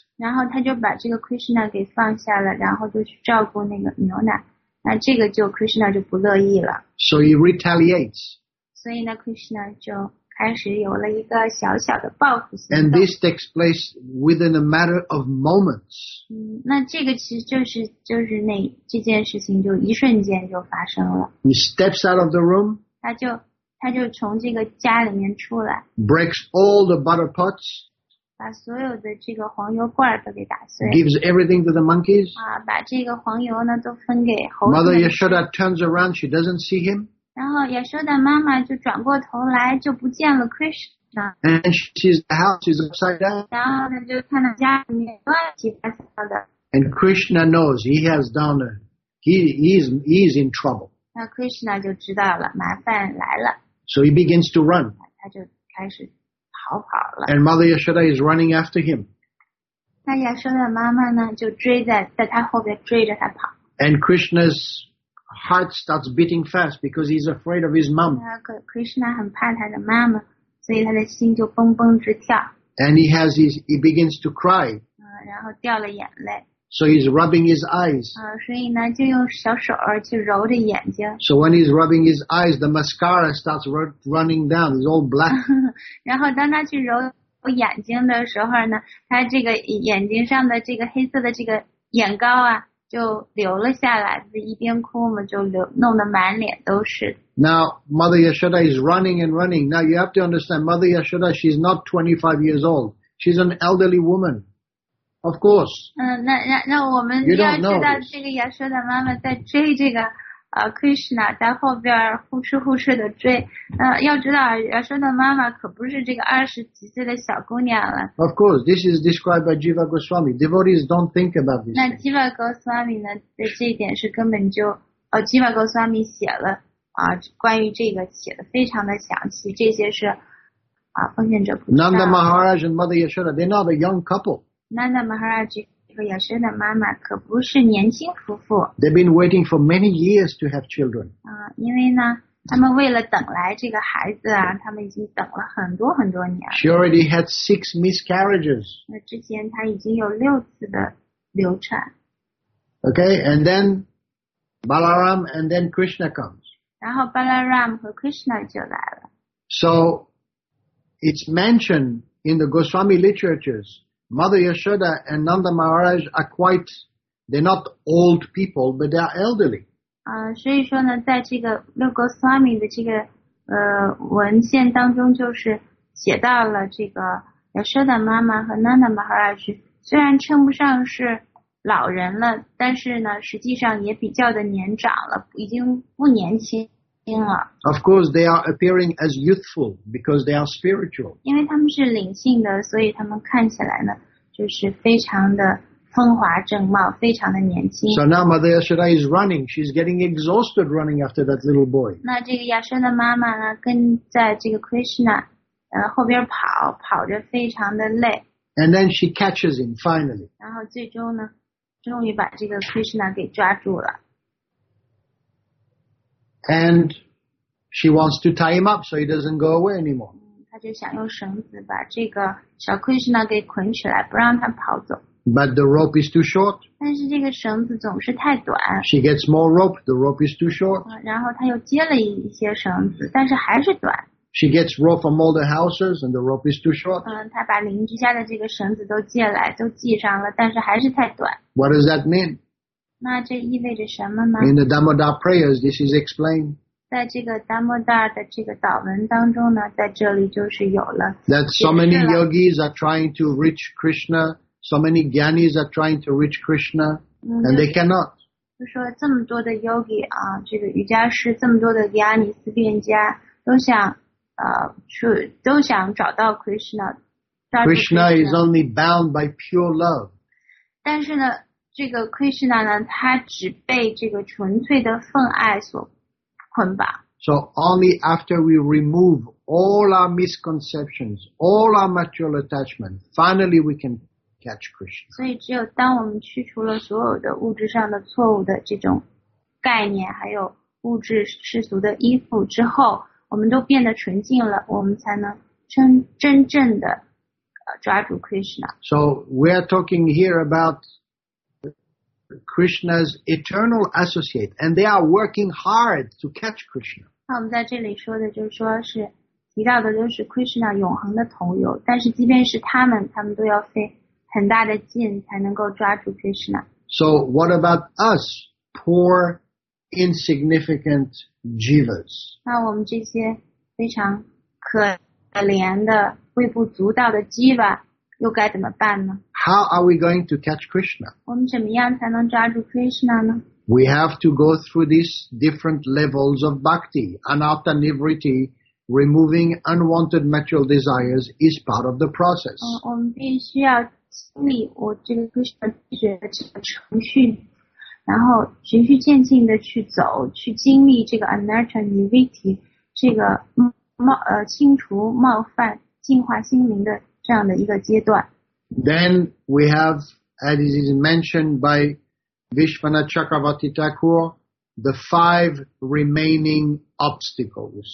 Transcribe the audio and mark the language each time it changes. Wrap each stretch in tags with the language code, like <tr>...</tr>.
<zh>然后她就把这个 Krishna 给放下了，然后就去照顾那个牛奶。那这个就 Krishna 就不乐意了。</zh> <en>So he retaliates.</en> <zh>所以呢 ，Krishna 就开始有了一个小小的报复行动。</zh> <en>And this takes place within a matter of moments.</en> <zh>那这个其实就是那这件事情就一瞬间就发生了。</zh> <en>He steps out of the room.</en> <zh>他就从这个家里面出来。</zh> <en>Breaks all the butter pots.</en> <zh>把所有的这个黄油罐都给打碎。</zh> <en>Gives everything to the monkeys.</en> <zh>啊，把这个黄油呢都分给猴子。</zh> <en>Mother Yashoda turns around, she doesn't see him.</en> <zh>然后 Yashoda 妈妈就转过头来，就不见了 Krishna.</zh> <en>And she sees the house is upside down.</en> <zh>然后呢，就看到家里面乱七八糟的。</zh> <en>And Krishna knows he has done it. He's in trouble.</en> <zh>那 Krishna 就知道了，麻烦来了。</zh> <en>So he begins to run.</en> <zh>他就开始。逃跑了。</zh> <en>And Mother Yashoda is running after him.</en> <zh>那 Yashoda 妈妈呢就追在他后面追着他跑。</zh> <en>And Krishna's heart starts beating fast because he's afraid of his mom.</en> <zh>Krishna 很怕他的妈妈，所以他的心就蹦蹦直跳。</zh> <en>And he begins to cry.</en> <zh>然后掉了眼泪。</zh> <en>So he's rubbing his eyes.</en> <zh>所以呢就用小手去揉着眼睛。</zh> <en>So when he's rubbing his eyes, the mascara starts running down. It's all black.</en> <zh>然后当他去揉眼睛的时候呢，他这个眼睛上的这个黑色的这个眼膏啊，就流了下来。一边哭嘛，就流，弄得满脸都是。</zh> <en>Now Mother Yashoda is running and running. Now you have to understand, Mother Yashoda, she's not 25 years old. She's an elderly woman. Of course.</en> <zh>那我们要知道这个亚瑟的妈妈在追这个Krishna 在后边呼哧呼哧的追。要知道亚瑟的妈妈可不是这个二十几岁的小姑娘了。</zh> <en>Of course, this is described by Jiva Goswami. Devotees don't think about this.</en> <zh>那 Jiva Goswami 呢在这一点是根本就Jiva Goswami 写了关于这个写的非常的详细，这些是奉献者不知道。</zh> <en>Nanda Maharaj and Mother Yashoda, they're not a young couple.</en> <zh>Nanda Maharaj 这个亚瑟的妈妈可不是年轻夫妇。</zh> <en>They've been waiting for many years to have children.</en> <zh>因为呢，他们为了等来这个孩子啊，他们已经等了很多很多年。</zh> <en>She already had 6 miscarriages.</en> <zh>那之前她已经有六次的流产。</zh> <en>Okay, and then Balaram and then Krishna comes.</en> <zh>然后 Balaram 和 Krishna 就来了。</zh> <en>So it's mentioned in the Goswami literatures. Mother Yashoda and Nanda Maharaj are they're not old people, but they are elderly.</en> <zh>所以说呢，在这个六国斯瓦米的这个文献当中，就是写到了这个Yashoda妈妈和 Nanda Maharaj 虽然称不上是老人了，但是呢，实际上也比较的年长了，已经不年轻。</zh> <en>Of course, they are appearing as youthful because they are spiritual.</en> <zh>因为他们是灵性的，所以他们看起来呢，就是非常的风华正茂，非常的年轻。</zh> <en>So now Mother Yashoda is running. She's getting exhausted running after that little boy.</en> <zh>那这个亚瑟的妈妈呢，跟在这个 Krishna, 后边跑，跑着非常的累。</zh> <en>And then she catches him finally.</en> <zh>然后最终呢，终于把这个 Krishna 给抓住了。</zh> <en>And she wants to tie him up so he doesn't go away anymore.</en> <zh>他就想用绳子把这个小 Krishna 给捆起来，不让他跑走。</zh> <en>But the rope is too short.</en> <zh>但是这个绳子总是太短。</zh> <en>She gets more rope. The rope is too short.</en> <zh>然后他又接了一些绳子，但是还是短。</zh> <en>She gets rope from all the houses, and the rope is too short.</en> <zh>他把邻居家的这个绳子都借来，都系上了，但是还是太短。</zh> <en>What does that mean?</en> <zh>那这意味着什么呢</zh> <en>？In the Damodar prayers, this is explained.</en> <zh>在这个 Damodar 的这个祷文当中呢，在这里就是有了。</zh> <en>That so many yogis are trying to reach Krishna, so many gyanis are trying to reach Krishna, and they cannot.</en> <zh>就说这么多的 yogi 这个瑜伽师，这么多的 gyani 思辨家，都想找到 Krishna。</zh> <en>Krishna is only bound by pure love.</en> <zh>但是呢。这个 Krishna 呢，他只被这个纯粹的奉爱所捆绑。</zh> <en>So only after we remove all our misconceptions, all our material attachment, finally we can catch Krishna.</en> <zh>所以只有当我们去除了所有的物质上的错误的这种概念，还有物质世俗的依附之后，我们都变得纯净了，我们才能真正的抓住 Krishna.</zh> <en>So we are talking here about Krishna's eternal associate, and they are working hard to catch Krishna.</en> <zh>那我们在这里说的就是说是提到的就是 Krishna 永恒的同友，但是即便是他们都要费很大的劲才能够抓住 Krishna.</zh> <en>So what about us, poor, insignificant jivas?</en> <zh>那我们这些非常可怜的微不足道的 jiva 又该怎么办呢？</zh> <en>How are we going to catch Krishna?</en> <zh>我们怎么样才能抓住 Krishna 呢？</zh> <en>We have to go through these different levels of bhakti. Anatta nivritti, removing unwanted material desires, is part of the process.</en> <zh>我们必须要清理我这个 Krishna 觉的这个程序，然后循序渐进的去走，去经历这个 anatta nivritti 这个清除冒犯。净化心灵的这样的一个阶段。</zh> <en>Then we have, as it is mentioned by Vishvana Chakravarti Thakur, the five remaining obstacles.</en>